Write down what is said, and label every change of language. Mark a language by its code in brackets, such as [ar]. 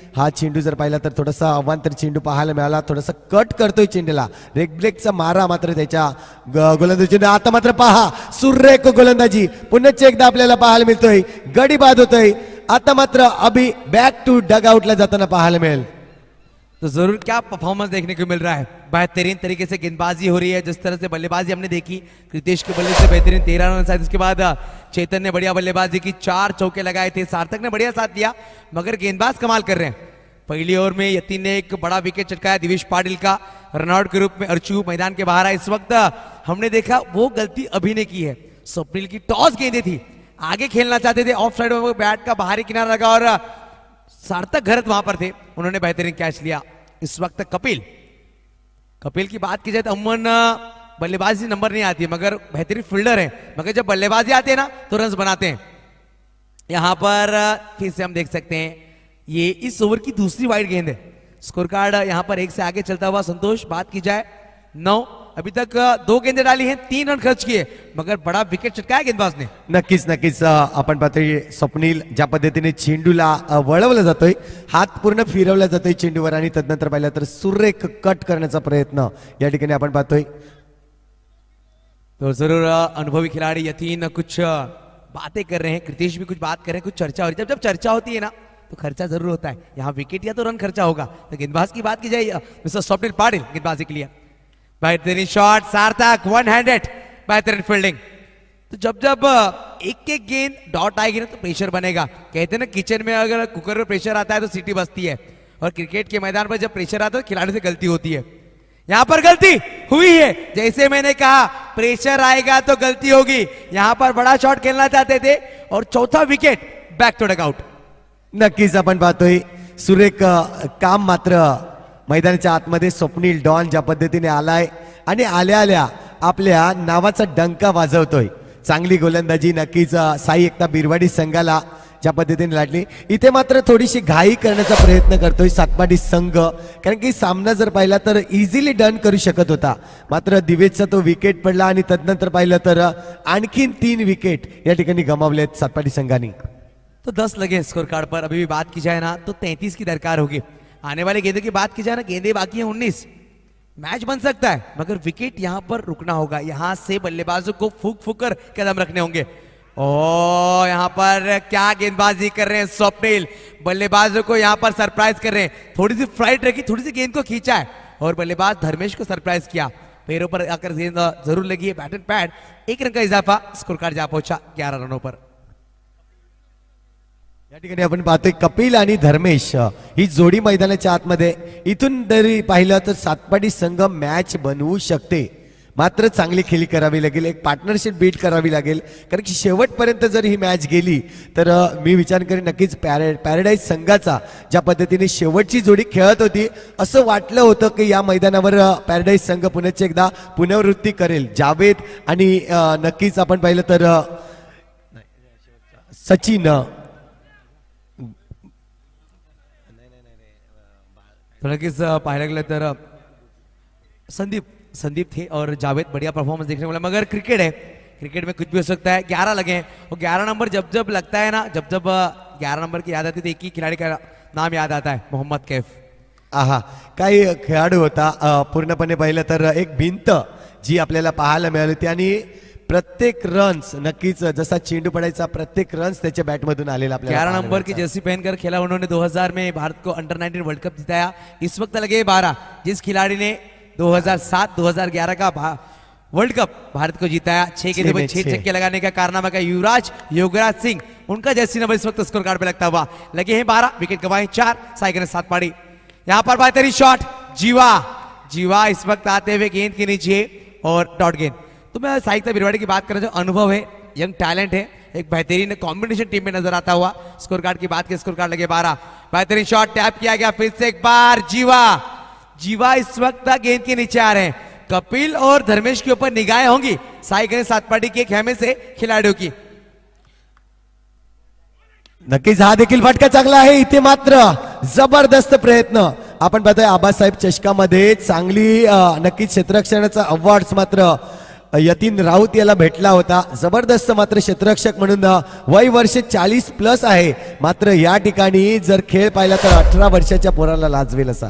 [mr] हा चेंडू जर पाहिला तर थोडासा अवांतर चेंडू पाहायला मिळाला, थोडासा कट करतोय चेंडूला, रेगब्रेकचा मारा मात्र त्याच्या गोलंदाजीने, आता मात्र पहा सुरेख गोलंदाजी पुन्हा एकदा आपल्याला पाहायला मिळतोय गडी बाद होतोय, आता मात्र अभी बैक टू डगआउट ला जाताना पाहायला मिळेल। [hi] तो जरूर क्या परफॉर्मेंस देखने को मिल रहा है, बेहतरीन तरीके से गेंदबाजी हो रही है, जिस तरह से बल्लेबाजी हमने देखी कृतेश के बल्ले से बेहतरीन 13 रन साथ, इसके बाद चेतन ने बढ़िया बल्लेबाजी की, चार चौके लगाए थे, सार्थक ने बढ़िया साथ दिया, मगर गेंदबाज कमाल कर रहे हैं। पहली ओवर में यतीन ने एक बड़ा विकेट चटकाया दिवेश पाटिल का, रनआउट के रूप में अर्चू मैदान के बाहर आया। इस वक्त हमने देखा वो गलती अभी ने की है, स्वप्निल की टॉस गेंदे थी, आगे खेलना चाहते थे, ऑफ साइड बैट का बाहरी किनारा लगा और सार्थक घरत वहां पर थे, उन्होंने बेहतरीन कैच लिया। इस वक्त कपिल, कपिल की बात की जाए तो अमन बल्लेबाजी नंबर नहीं आती मगर बेहतरीन फील्डर है, मगर जब बल्लेबाजी आते हैं ना तो रन बनाते हैं। यहां पर फिर से हम देख सकते हैं ये इस ओवर की दूसरी वाइड गेंद है, स्कोर कार्ड यहां पर एक से आगे चलता हुआ संतोष, बात की जाए 9, अभी तक दो गेंदें डाली हैं, 3 रन खर्च किए मगर बड़ा विकेट चटकाया गेंदबाज ने। [mr] नक्कीच नक्कीच अपन पाहतोय स्वप्निल ज्या पद्धतीने चेंडूला वळवला जातोय, हात पूर्ण फिरवला जातोय चेंडूवर आणि तदनंतर पाहिलं तर सुरेख कट करण्याचा प्रयत्न या ठिकाणी आपण पाहतोय। [hi] तो जरूर अनुभवी खिलाड़ी यतीन कुछ बातें कर रहे हैं, कृतिश भी कुछ बात कर रहे हैं, कुछ चर्चा हो रही है, जब जब चर्चा होती है ना तो खर्चा जरूर होता है, यहाँ विकेट या तो रन खर्चा होगा। तो गेंदबाज की बात की जाए मिस्टर स्वप्निल पाटिल गेंदबाजी के लिए, बेहतरीन शॉट सार्थक वन हैंडेड बेहतरीन फील्डिंग। तो जब जब एक एक गेंद डॉट आएगी ना तो प्रेशर बनेगा, कहते ना किचन में अगर कुकर में प्रेशर आता है तो सीटी बजती है, और क्रिकेट के मैदान पर जब प्रेशर आता है तो खिलाड़ी से गलती होती है। यहां पर गलती हुई है, जैसे मैंने कहा प्रेशर आएगा तो गलती होगी। यहां पर बड़ा शॉट खेलना चाहते थे और चौथा विकेट बैक टू डगआउट। [mr] नक्कीच अपन पाहतो सुरेख काम मात्र मैदानाच्या आतमध्ये स्वप्नील डॉन ज्या पद्धतीने आलाय आणि आल्या आल्या आपल्या नावाचा डंका वाजवतोय। चांगली गोलंदाजी नक्कीच साई एकता बिरवाडी संघाला ज्या पद्धतीने लाडली, इथे मात्र थोडीशी घाई करण्याचा प्रयत्न करतोय सातपाटी संघ, कारण की सामना जर पाहिला तर इझिली डन करू शकत होता, मात्र दिवेचा तो विकेट पडला आणि तदनंतर पाहिलं तर आणखीन 3 विकेट या ठिकाणी गमावले आहेत सातपाटी संघाने। [hi] तो 10 लगे स्कोर कार्ड पर, अभी भी बात की जाए ना तो 33 की दरकार होगी। आने वाले गेंदों की बात की जाए ना, गेंदे बाकी है 19, मैच बन सकता है मगर विकेट यहां पर रुकना होगा। यहां से बल्लेबाजों को फूक फूक कर कदम रखने होंगे। ओ यहां पर क्या गेंदबाजी कर रहे हैं स्वप्निल, बल्लेबाजों को यहां पर सरप्राइज कर रहे हैं। थोड़ी सी फ्लाइट रखी, थोड़ी सी गेंद को खींचा है और बल्लेबाज धर्मेश को सरप्राइज किया, पैरों पर आकर गेंद जरूर लगी है, बैट एंड पैड, एक रन का इजाफा, स्कोर कार्ड जा पहुंचा 11 रनों पर। [mr] या ठिकाणी आपण पाहतोय कपिल आणि धर्मेश ही जोडी मैदानाच्या आतमध्ये, इथून जरी पाहिलं तर सातपाटी संघ मॅच बनवू शकते, मात्र चांगली खेळी करावी लागेल, एक पार्टनरशिप बिल्ड करावी लागेल, कारण की शेवटपर्यंत जर ही मॅच गेली तर मी विचार करेन नक्कीच पॅराडाईज संघाचा ज्या पद्धतीने शेवटची जोडी खेळत होती असं वाटलं होतं की या मैदानावर पॅराडाईज संघ पुन्हा एकदा पुनरावृत्ती करेल। जावेद आणि नक्कीच आपण पाहिलं तर सचिन, नक्कीच पाहायला गेलं तर [hi] संदीप थे और जावेद बढिया परफॉर्मन्स देखने को मिला, मगर क्रिकेट है, क्रिकेट में कुछ भी हो सकता है। 11 लगे हैं और 11 नंबर जब जब लगता है ना, जब जब 11 नंबर की याद आती है तो एक ही खिलाड़ी का नाम याद आता है, मोहम्मद कैफ। [mr] आहा काही खेळाडू होता पूर्णपणे पाहिलं तर एक भिंत जी आपल्याला पाहायला मिळाली होती आणि प्रत्येक रन्स नक्कीच जसा चेंडू पडायचा प्रत्येक रन्स त्याच्या बॅट मधून आलेला आपल्याला। [hi] 11 नंबर की जर्सी पहनकर खेला उन्होंने 2000 में भारत को अंडर 19 वर्ल्ड कप जिताया, इस वक्त लगे 12, जिस खिलाड़ी ने 2007-2011 का वर्ल्ड कप भारत को जिताया, 6 छक्के लगाने का कारनामा का युवराज योगराज सिंह, उनका जर्सी नंबर इस वक्त स्कोर कार्ड पे लगता हुआ। लगे हैं 12, विकेट गवाए 4, साई ने 7 पारी। यहां पर बेहतरीन शॉट, जीवा इस वक्त आते हुए गेंद के नीचे और डॉट गेंद। तो मैं साहित्य बिरवाड़ी की बात कर रहा हूं, जो अनुभव है, यंग टैलेंट है, एक बेहतरीन कॉम्बिनेशन टीम में नजर आता हुआ। स्कोर कार्ड की बात की, स्कोर कार्ड लगे 12, बेहतरीन शॉट टैप किया गया फिर से एक बार, जीवा इस वक्त गेंद के नीचे आ रहे हैं, कपिल और धर्मेश के ऊपर निगाहें होंगी साई गणेश सातपाटी के खेमे से खिलाड़ियों की। [mr] नक्कीच हा देखील फटका चांगला आहे, इथे मात्र जबरदस्त प्रयत्न, आपण पाहतोय आबासाहेब चषका मध्ये चांगली नक्कीच क्षेत्ररक्षणाचा अवॉर्ड्स मात्र यतीन राऊत याला भेटला होता, जबरदस्त मात्र क्षेत्ररक्षक म्हणून वय वर्ष 40 प्लस आहे, मात्र या ठिकाणी जर खेळ पाहिला तर 18 वर्षाच्या पोराला लाजवेल असा।